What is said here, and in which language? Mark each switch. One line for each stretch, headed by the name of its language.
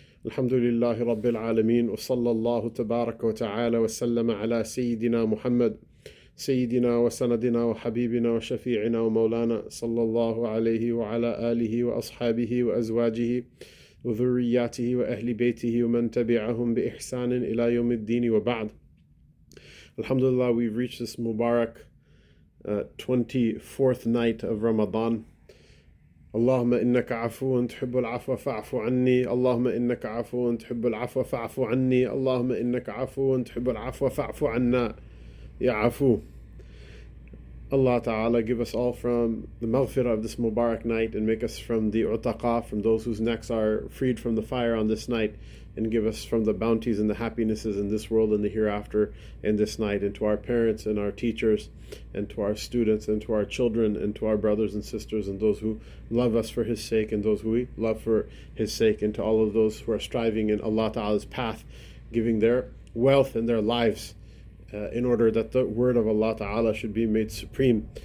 Arabic: الحمد لله رب العالمين، وصلى الله تبارك وتعالى وسلم على سيدنا محمد سيدنا وسندنا وحبيبنا وشفيعنا ومولانا، صلى الله عليه وعلى آله وأصحابه وأزواجه وذرياته وأهل بيته ومن تبعهم بإحسان إلى يوم الدين. وبعد، الحمد لله،
English: we've reached this Mubarak 24th night of Ramadan.
Arabic: اللهم إنك عفو تحب العفو فاعف عني، اللهم إنك عفو تحب العفو فاعف عني، اللهم إنك عفو تحب العفو فاعف عنا يا عفو.
English: Allah Ta'ala, give us all from the maghfirah of this Mubarak night and make us from the utaqa, from those whose necks are freed from the fire on this night, and give us from the bounties and the happinesses in this world and the hereafter in this night. And to our parents and our teachers and to our students and to our children and to our brothers and sisters and those who love us for His sake and those who we love for His sake, and to all of those who are striving in Allah Ta'ala's path, giving their wealth and their lives in order that the word of Allah Ta'ala should be made supreme.